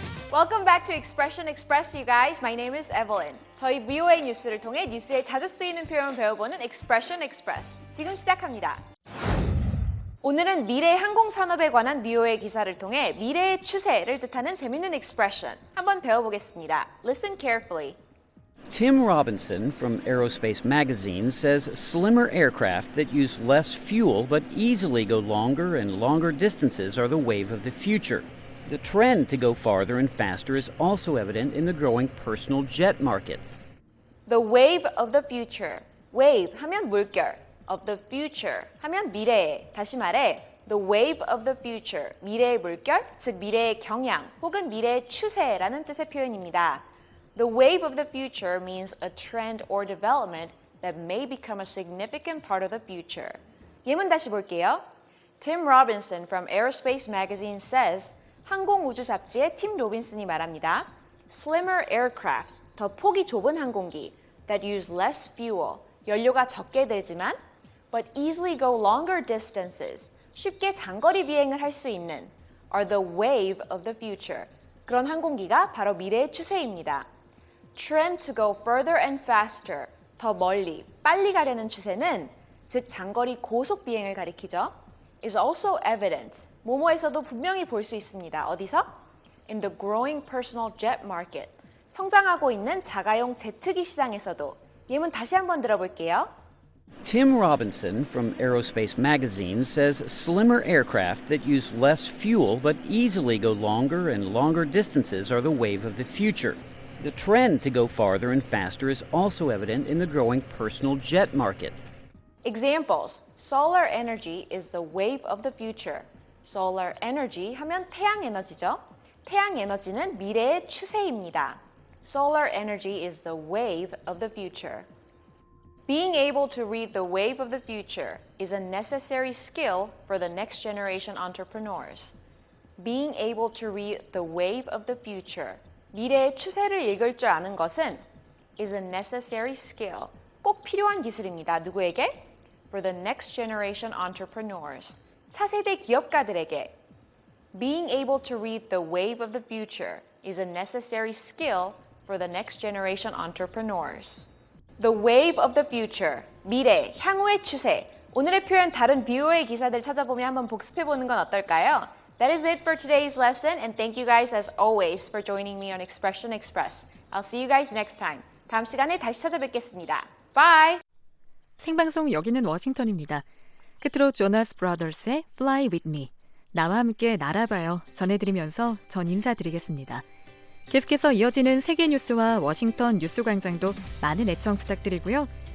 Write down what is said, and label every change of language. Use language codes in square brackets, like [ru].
[en] Welcome back to Expression Express, you guys. My name is Evelyn. [ko] 저희 VOA 뉴스를 통해 뉴스에 자주 쓰이는 표현을 배워보는 Expression Express. 지금 시작합니다. 오늘은 미래 항공산업에 관한 VOA 기사를 통해 미래의 추세를 뜻하는 재미있는 expression 한번 배워보겠습니다. [en] Listen carefully. Tim Robinson from Aerospace Magazine says slimmer aircraft that use less fuel but easily go longer and longer distances are the wave of the future. The trend to go farther and faster is also evident in the growing personal jet market. The wave of the future. Wave [ko] 하면 물결. [en] Of the future [ko] 하면 미래에. 다시 말해, [en] the wave of the future. [ko] 미래의 물결, 즉 미래의 경향 혹은 미래의 추세라는 뜻의 표현입니다. [en] The wave of the future means a trend or development that may become a significant part of the future. [ko] 예문 다시 볼게요. [en] Tim Robinson from Aerospace Magazine says, [ko] 항공우주 잡지의 팀 로빈슨이 말합니다. [en] Slimmer aircraft, [ko] 더 폭이 좁은 항공기, [en] that use less fuel, [ko] 연료가 적게 들지만, [en] but easily go longer distances, [ko] 쉽게 장거리 비행을 할 수 있는, [en] are the wave of the future. [ko] 그런 항공기가 바로 미래의 추세입니다. [en] Trend to go further and faster, [ko] 더 멀리, 빨리 가려는 추세는, 즉 장거리 고속 비행을 가리키죠. [en] is also evident, [ko] 모모에서도 분명히 볼 수 있습니다. 어디서? [en] In the growing personal jet market, [ko] 성장하고 있는 자가용 제트기 시장에서도. 예문 다시 한번 들어볼게요. [en] Tim Robinson from Aerospace Magazine says slimmer aircraft that use less fuel but easily go longer and longer distances are the wave of the future. The trend to go farther and faster is also evident in the growing personal jet market. Examples. Solar energy is the wave of the future. [ko] Solar energy 하면 태양 에너지죠. 태양 에너지는 미래의 추세입니다. [en] Solar energy is the wave of the future. Being able to read the wave of the future is a necessary skill for the next generation entrepreneurs. Being able to read the wave of the future, [ko] 미래의 추세를 읽을 줄 아는 것은 [en] is a necessary skill, [ko] 꼭 필요한 기술입니다. 누구에게? [en] For the next generation entrepreneurs, [ko] 차세대 기업가들에게. [en] Being able to read the wave of the future is a necessary skill for the next generation entrepreneurs. The wave of the future, [ko] 미래, 향후의 추세. 오늘의 표현 다른 BOA 기사들 찾아보며 한번 복습해보는 건 어떨까요? [en] That is it for today's lesson, and thank you guys as always for joining me on Expression Express. I'll see you guys next time. [ko] 다음 시간에 다시 찾아뵙겠습니다. [en] Bye! [ko] 생방송 여기는 워싱턴입니다. 끝으로 Jonas Brothers의 Fly With Me, 나와 함께 날아봐요 전해드리면서 전 인사드리겠습니다. 계속해서 이어지는 세계 뉴스와 워싱턴 뉴스 광장도 많은 애청 부탁드리고요.